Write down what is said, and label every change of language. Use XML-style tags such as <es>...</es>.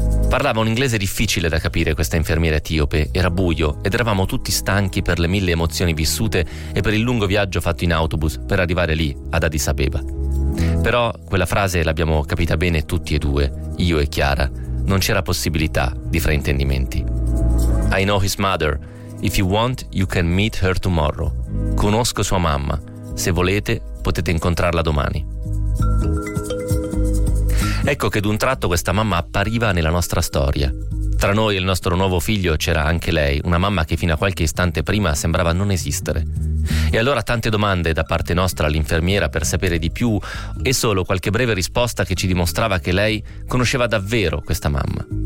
<it>Parlava un inglese difficile da capire questa infermiera etiope, era buio ed eravamo tutti stanchi per le mille emozioni vissute e per il lungo viaggio fatto in autobus per arrivare lì, ad Addis Abeba. Però quella frase l'abbiamo capita bene tutti e due, io e Chiara, non c'era possibilità di fraintendimenti.</it> <en>I know his mother, if you want you can meet her tomorrow.</en> <it>Conosco sua mamma, se volete potete incontrarla domani. Ecco che d'un tratto questa mamma appariva nella nostra storia. Tra noi e il nostro nuovo figlio c'era anche lei, una mamma che fino a qualche istante prima sembrava non esistere. E allora tante domande da parte nostra all'infermiera per sapere di più e solo qualche breve risposta che ci dimostrava che lei conosceva davvero questa mamma.</it>